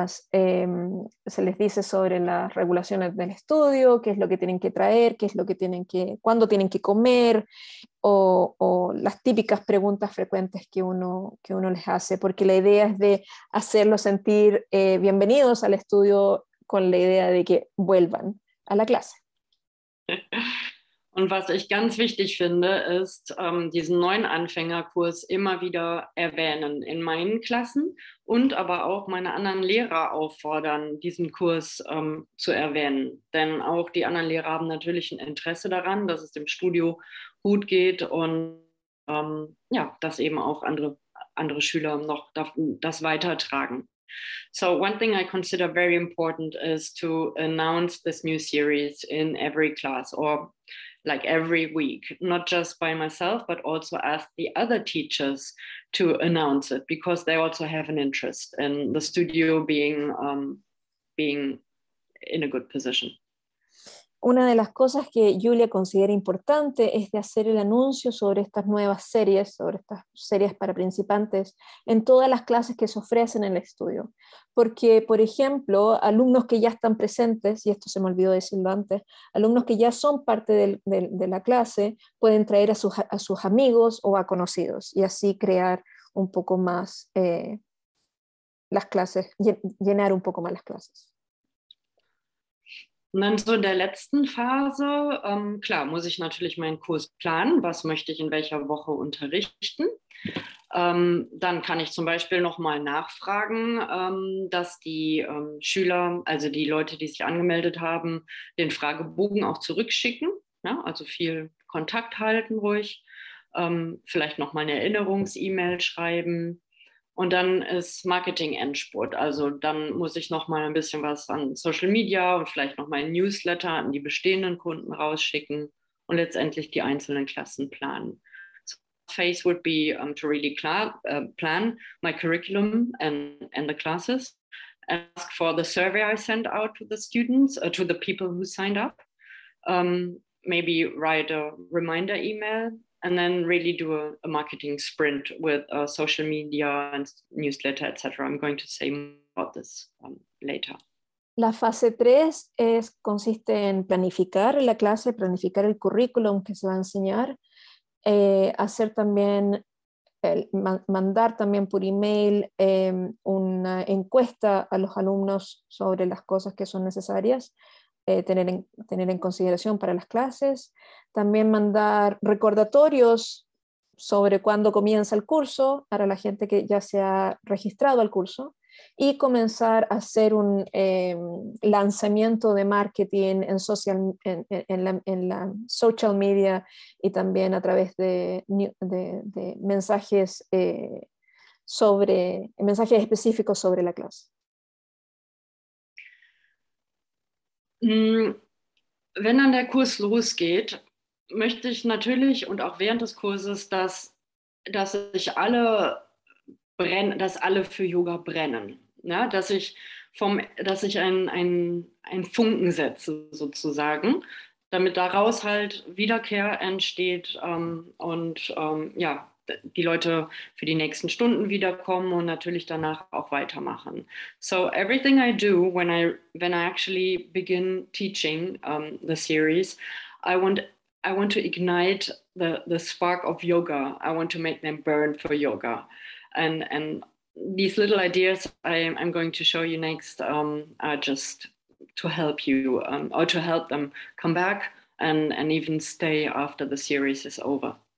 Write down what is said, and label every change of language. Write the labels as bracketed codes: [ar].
[es] se les dice sobre las regulaciones del estudio, qué es lo que tienen que traer, cuándo tienen que comer o las típicas preguntas frecuentes que uno les hace, porque la idea es de hacerlos sentir bienvenidos al estudio con la idea de que vuelvan a la clase. [de] Und was ich ganz wichtig finde, ist diesen neuen Anfängerkurs immer wieder erwähnen in meinen Klassen und aber auch meine anderen Lehrer auffordern, diesen Kurs zu erwähnen. Denn auch die anderen Lehrer haben natürlich ein Interesse daran, dass es dem Studio gut geht und ja, dass eben auch andere Schüler noch das weitertragen. [en] So one thing I consider very important is to announce this new series in every class or like every week, not just by myself, but also ask the other teachers to announce it because they also have an interest in the studio being in a good position. [es] Una de las cosas que Julia considera importante es de hacer el anuncio sobre estas nuevas series, sobre estas series para principiantes, en todas las clases que se ofrecen en el estudio. Porque, por ejemplo, alumnos que ya están presentes, y esto se me olvidó decirlo antes, alumnos que ya son parte de la clase, pueden traer a sus amigos o a conocidos, y así crear un poco más las clases, llenar un poco más las clases. [de] Und dann so in der letzten Phase, klar, muss ich natürlich meinen Kurs planen, was möchte ich in welcher Woche unterrichten. Dann kann ich zum Beispiel nochmal nachfragen, dass die Schüler, also die Leute, die sich angemeldet haben, den Fragebogen auch zurückschicken, ja? Also viel Kontakt halten ruhig, vielleicht nochmal eine Erinnerungs-E-Mail schreiben. Und dann ist Marketing-Endspurt. Also dann muss ich noch mal ein bisschen was an Social Media und vielleicht noch mal ein Newsletter an die bestehenden Kunden rausschicken und letztendlich die einzelnen Klassen planen. [en] So phase would be to really plan my curriculum and the classes. Ask for the survey I send out to the students, to the people who signed up. Maybe write a reminder email. And then really do a marketing sprint with social media and newsletter, etc. I'm going to say more about this later. [es] La fase 3 consiste en planificar la clase, planificar el currículum que se va a enseñar, hacer también, mandar también por email una encuesta a los alumnos sobre las cosas que son necesarias. Tener en consideración para las clases, también mandar recordatorios sobre cuándo comienza el curso para la gente que ya se ha registrado al curso y comenzar a hacer un lanzamiento de marketing en social en la social media y también a través de mensajes sobre mensajes específicos sobre la clase. [de] Wenn dann der Kurs losgeht, möchte ich natürlich und auch während des Kurses, dass alle für Yoga brennen, ja, dass ich einen Funken setze sozusagen, damit daraus halt Wiederkehr entsteht und die Leute für die nächsten Stunden wiederkommen und natürlich danach auch weitermachen. [en] So everything I do when I actually begin teaching the series, I want to ignite the spark of yoga. I want to make them burn for yoga. And these little ideas I'm going to show you next are just to help you or to help them come back and even stay after the series is over.